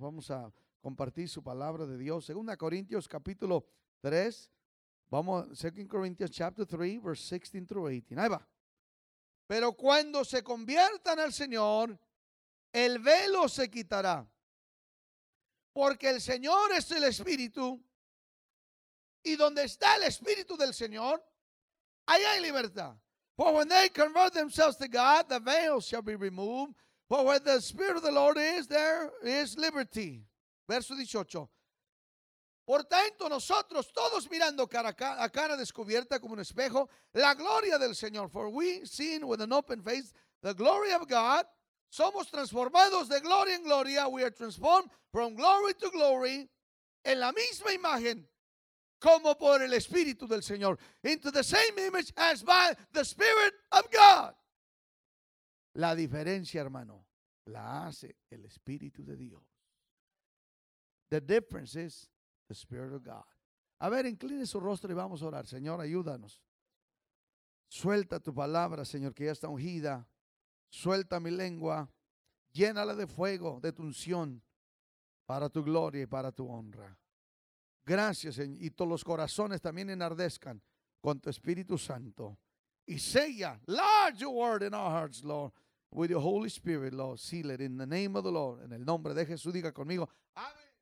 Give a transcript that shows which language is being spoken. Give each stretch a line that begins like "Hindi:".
Spanish: Vamos a compartir su palabra de Dios. 2 Corintios capítulo 3, vamos a 2 Corintios
English: chapter 3, verse 16 through 18.
Spanish: Ahí va. Pero cuando se conviertan al Señor, el velo se quitará. Porque el Señor es el Espíritu, y donde está el Espíritu del Señor, ahí hay libertad.
English: For when they convert themselves to God, the veil shall be removed. For where the Spirit of the Lord is, there is liberty. Verso 18.
Spanish: Por tanto, nosotros todos mirando cara a cara descubierta como un espejo, la gloria del Señor.
English: For we, seeing with an open face the glory of God,
Spanish: somos transformados de gloria en gloria.
English: We are transformed from glory to glory
Spanish: en la misma imagen como por el Espíritu del Señor.
English: Into the same image as by the Spirit of God.
Spanish: La diferencia, hermano, la hace el Espíritu de Dios.
English: The difference is the Spirit of God.
Spanish: A ver, incline su rostro y vamos a orar. Señor, ayúdanos. Suelta tu palabra, Señor, que ya está ungida. Suelta mi lengua. Llénala de fuego, de tu unción, para tu gloria y para tu honra. Gracias, Señor. Y todos los corazones también enardezcan con tu Espíritu Santo. Y sella,
English: large your word in our hearts, Lord. With your Holy Spirit, Lord, seal it in the name of the Lord.
Spanish: En el nombre de Jesús, diga conmigo. Amén.